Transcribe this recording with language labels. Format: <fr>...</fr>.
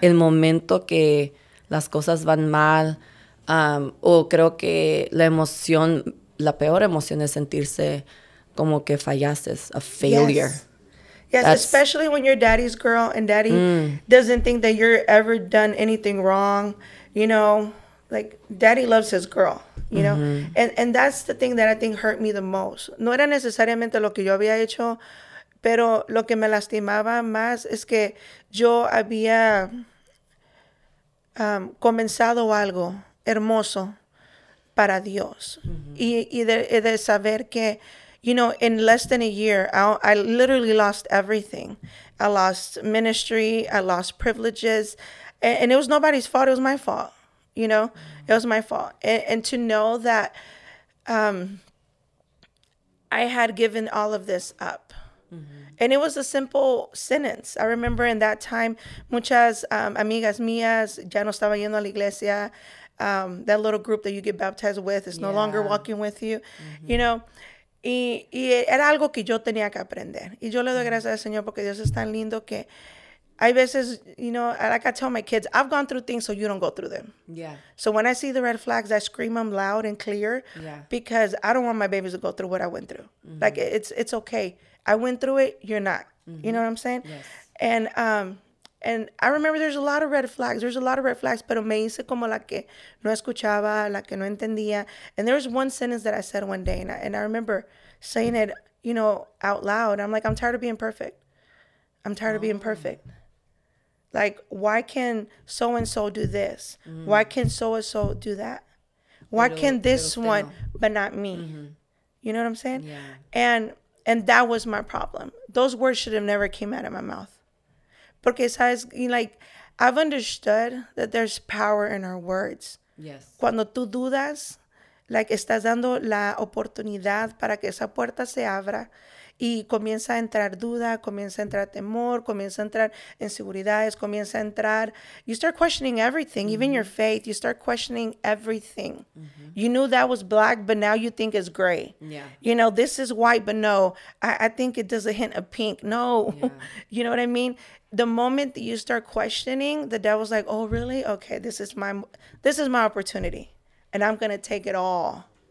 <es>El momento que las cosas van mal, o creo que la emoción, la peor emoción es sentirse como que fallaste,</es> <en>a failure. Yes, yes, especially when you're daddy's girl and daddy doesn't think that you're ever done anything wrong. You know, like, daddy loves his girl, you know? And that's the thing that I think hurt me the most.</en> <es>No era necesariamente lo que yo había hecho, pero lo que me lastimaba más es que yo había comenzado algo hermoso para Dios. Y de saber que,</es> <en>you know, in less than a year, I literally lost everything. I lost ministry. I lost privileges. And it was nobody's fault. It was my fault, you know? It was my fault. And to know that I had given all of this up. And it was a simple sentence. I remember in that time,</en> <es>muchas amigas mías ya no estaban yendo a la iglesia.</es> <en>That little group that you get baptized with is no longer walking with you.</en> <es>Mm-hmm.</es> <en>You know,</en> <es>y era algo que yo tenía que aprender. Y yo le doy gracias al Señor porque Dios es tan lindo que hay veces,</es> <en>you know, like I tell my kids, I've gone through things so you don't go through them. Yeah. So when I see the red flags, I scream them loud and clear because I don't want my babies to go through what I went through. Mm-hmm. Like, it's okay. I went through it, you're not. Mm-hmm. You know what I'm saying? Yes. And I remember there's a lot of red flags. There's a lot of red flags,</en> <es>pero me hice como la que no escuchaba, la que no entendía.</es> <en>And there was one sentence that I said one day, and I remember saying it, you know, out loud. I'm like, I'm tired of being perfect. I'm tired of being perfect. Like, why can so-and-so do this? Mm-hmm. Why can so-and-so do that? Why can this one, but not me? Mm-hmm. You know what I'm saying? Yeah. And that was my problem. Those words should have never came out of my mouth.</en> <es>Porque sabes,</es> <en>like, I've understood that there's power in our words. Yes.</en> <es>Cuando tú dudas,</es> <en>like,</en> <es>estás dando la oportunidad para que esa puerta se abra y comienza a entrar duda, comienza a entrar temor, comienza a entrar inseguridades, comienza a entrar.</es> <en>You start questioning everything, even your faith. You start questioning everything. You knew that was black, but now you think it's gray. Yeah. You know, this is white, but no, I think it does a hint of pink. No. Yeah. You know what I mean? The moment that you start questioning, the devil's like, oh, really? Okay, this is my opportunity, and I'm going to take it all.</en>